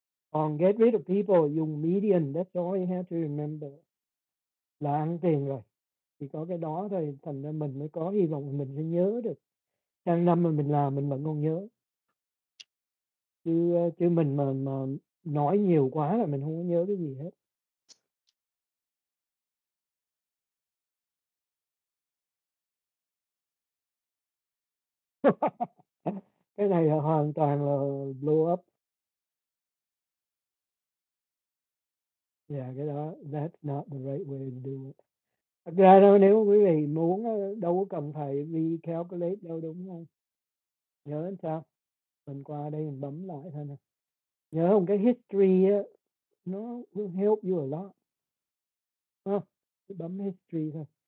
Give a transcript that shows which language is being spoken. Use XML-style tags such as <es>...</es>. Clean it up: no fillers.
<vi>Còn</vi> <en>get rid of people,</en> <vi>dùng</vi> <en>median, that's all you have to remember.</en> <vi>Là ăn tiền rồi. Chỉ có cái đó thôi, thành ra mình mới có hy vọng mình sẽ nhớ được. Sang năm mà mình làm, mình vẫn còn nhớ. Chứ mình mà nói nhiều quá là mình không có nhớ cái gì hết. Cái này là hoàn toàn là</vi> <en>blow up. Yeah,</en> <vi>cái đó,</vi> <en>that's not the right way to do it.</en> <vi>Thật ra đâu, nếu quý vị muốn, đâu có cần phải recalculate đâu đúng không? Nhớ làm sao? Mình qua đây mình bấm lại thôi nè. Nhớ không, cái history á, nó</vi> <en>will help you a lot.</en> <vi>Bấm history thôi.</vi>